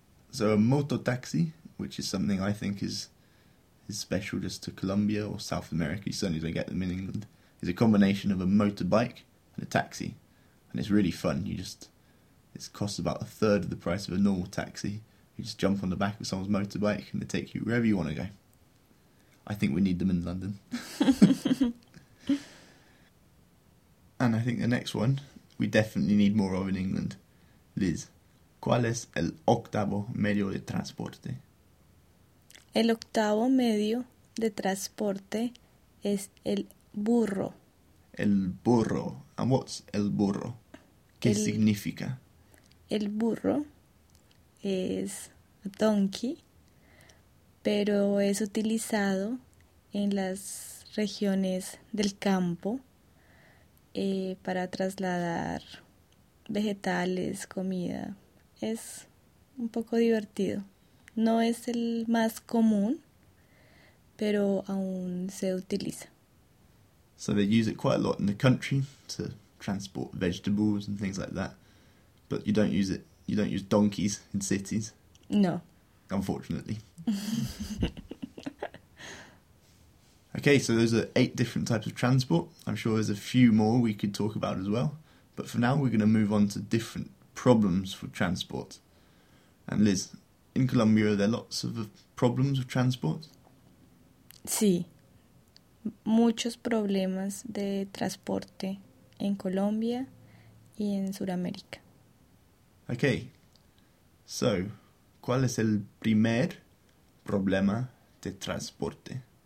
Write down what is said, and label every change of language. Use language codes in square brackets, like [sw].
[en] So a mototaxi, which is something I think is special just to Colombia or South America, you certainly don't get them in England, is a combination of a motorbike and a taxi. And it's really fun. It costs about a third of the price of a normal taxi. You just jump on the back of someone's motorbike and they take you wherever you want to go. I think we need them in London. And I think the next one we definitely need more of in England. [es] Liz, ¿cuál es el octavo medio de transporte? El octavo medio de transporte es el burro. El burro. [en] And what's [es] el burro? ¿Qué significa? El burro es donkey, pero es utilizado en las regiones del campo para trasladar vegetales, comida. Es un poco divertido. No es el más común, pero aún se utiliza. [en] So they use it quite a lot in the country to transport vegetables and things like that. But you don't use it, you don't use donkeys in cities. No. Unfortunately. Okay, so those are 8 different types of transport. I'm sure there's a few more we could talk about as well. But for now, we're going to move on to different problems for transport. And Liz, in Colombia, are there lots of problems with transport? [es] Sí. Muchos problemas de transporte en Colombia y en Sudamérica. [en] Okay. [es] So, ¿cuál es el primer problema de transporte?